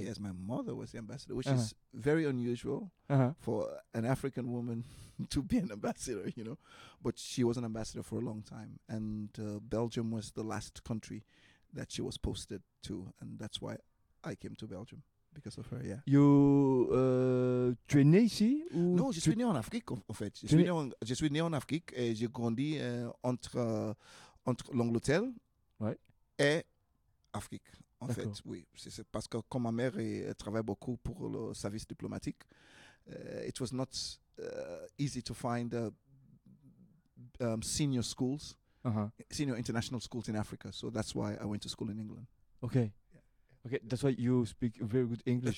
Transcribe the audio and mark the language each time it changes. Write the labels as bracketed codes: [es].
[en] She, yes, my mother was the ambassador, which is very unusual for an African woman to be an ambassador, you know. But she was an ambassador for a long time, and Belgium was the last country that she was posted to, and that's why I came to Belgium because of her. Yeah. [fr] You, tu es né ici ou? Non, je suis né en Afrique en fait. Je suis né en Afrique et j'ai grandi entre. Entre l'Angleterre et l'Afrique, en fait, oui. C'est parce que comme ma mère, elle travaille beaucoup pour le service diplomatique. [en] It was not easy to find senior schools, senior international schools in Africa. So that's why I went to school in England. Okay. Yeah. Okay, that's why you speak very good English.